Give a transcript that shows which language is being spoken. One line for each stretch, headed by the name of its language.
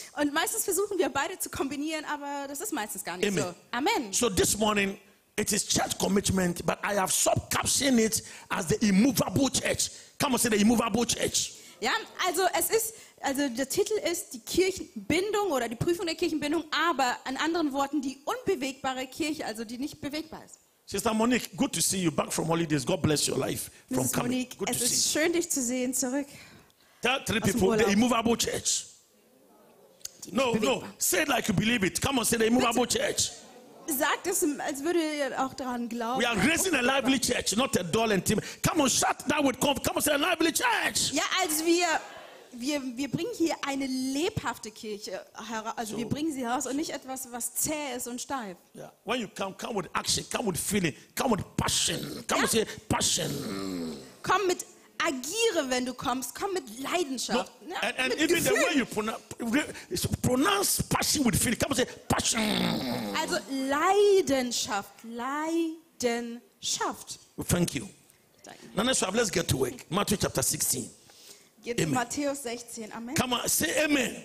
German: Und meistens versuchen wir beide zu kombinieren, aber das ist meistens gar nicht
English: Amen. So. Amen. So this morning it is church commitment, but I have subcaptioned it as the immovable church. Come on, say the immovable church.
German: Ja, also es ist, also der Titel ist die Kirchenbindung oder die Prüfung der Kirchenbindung, aber in anderen Worten die unbewegbare Kirche, also die nicht bewegbar ist.
English: Sister Monique, good to see you back from holidays. God bless your life from Monique, coming. Good
German: es
English: to see
German: ist schön, dich zu sehen, zurück.
English: Tell three people, the immovable church. No, say it like you believe it. Come on, say the immovable Bitte. Church.
German: Sag das, als würde ihr auch daran glauben.
English: We are raising a lively church, not a dull and timid. Come on, shut that with comfort. Come on, say a lively church.
German: Ja, als wir bringen hier eine lebhafte Kirche heraus, also so, wir bringen sie heraus und nicht etwas, was zäh ist und steif.
English: Yeah. When you come with action, come with feeling, come with passion, come with passion.
German: Komm mit, agiere, wenn du kommst, komm mit Leidenschaft. No, ja,
English: and
German: mit
English: even
German: Gefühl.
English: The way you pronounce passion with feeling, come with passion.
German: Also Leidenschaft.
English: Well, thank you. Danke. Now let's get to work. Matthew chapter 16.
German: Geht in Matthäus 16. Amen.
English: Come on, say amen.